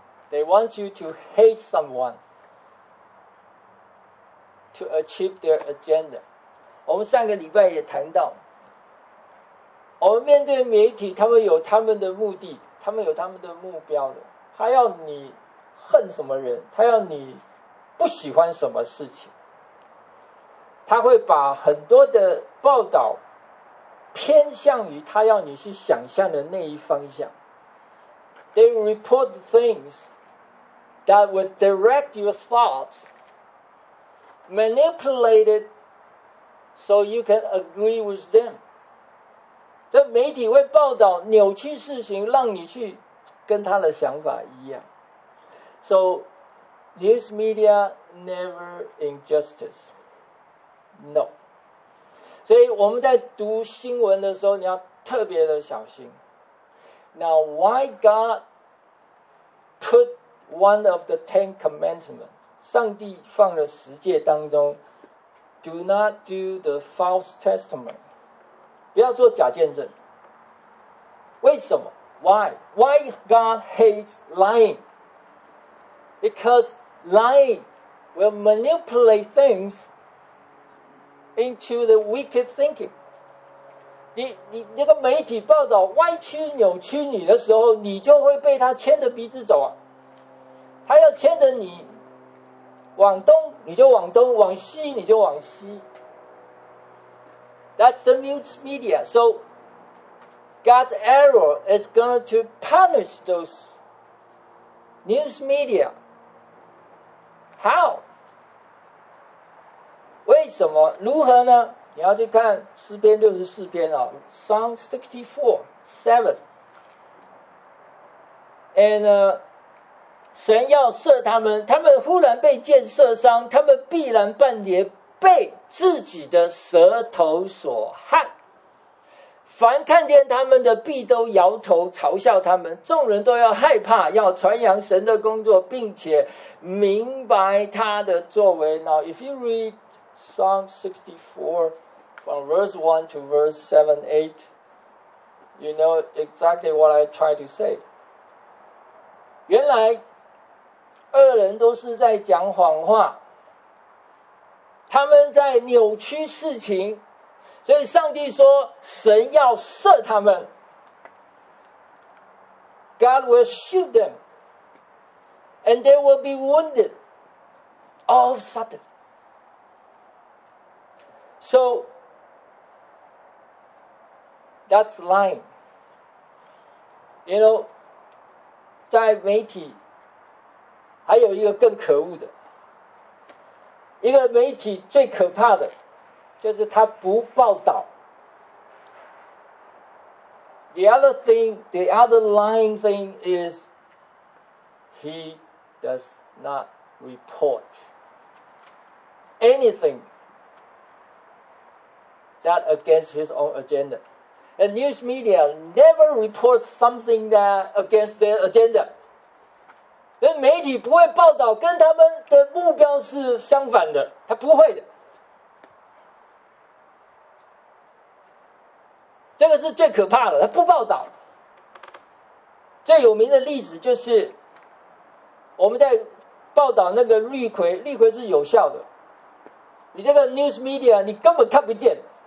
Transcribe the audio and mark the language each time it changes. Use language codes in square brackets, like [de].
[en] They want you to hate someone to achieve their agenda. [zh] 我们上个礼拜也谈到，我们面对媒体，他们有他们的目的，他们有他们的目标的。他要你恨什么人，他要你不喜欢什么事情。他会把很多的报道偏向于他要你去想象的那一方向。 [en] They report things that would direct your thoughts, manipulate it so you can agree with them. [zh] 这媒体会报道扭曲事情，让你去跟他的想法一样。 [en] So, news media never injustice. No. [zh] 所以我们在读新闻的时候，你要特别的小心。 [en] Now, why God put one of the Ten Commandments? [zh] 上帝放了十诫当中 ， [en] Do not do the false testimony. [zh] 不要做假见证。为什么 [en] ？Why? Why God hates lying? Because lying will manipulate things into the wicked thinking. [zh] 你那个媒体报道歪曲扭曲你的时候，你就会被他牵着鼻子走啊。他要牵着你往东，你就往东；往西，你就往西。 [en] That's the news media. So God's error is going to punish those news media. How? [zh] 为什么？如何呢？你要去看诗篇六十四篇啊 ， [en] Psalm 64:7 and. [zh] 神要赦他们，他们忽然被箭射伤，他们必然半跌，被自己的舌头所害。凡看见他们的，必都摇头嘲笑他们。众人都要害怕，要传扬神的工作，并且明白他的作为。 [en] Now, if you read Psalm 64 from verse 1 to verse 7-8, you know exactly what I try to say. [zh] 原来恶人都是在讲谎话，他们在扭曲事情，所以上帝说神要赦他们。 [en] God will shoot them and they will be wounded all of a sudden. So that's lying. You know, [zh] 在媒体还有一个更可恶的，一个媒体最可怕的就是他不报道。 [en] The other thing, the other lying thing is he does not report anything that against his own agenda. And news media never reports something that against their agenda. [zh] 因为媒体不会报道跟他们的目标是相反的，他不会的，这个是最可怕的，他不报道。最有名的例子就是我们在报道那个绿葵，绿葵是有效的，你这个 news media 你根本看不见。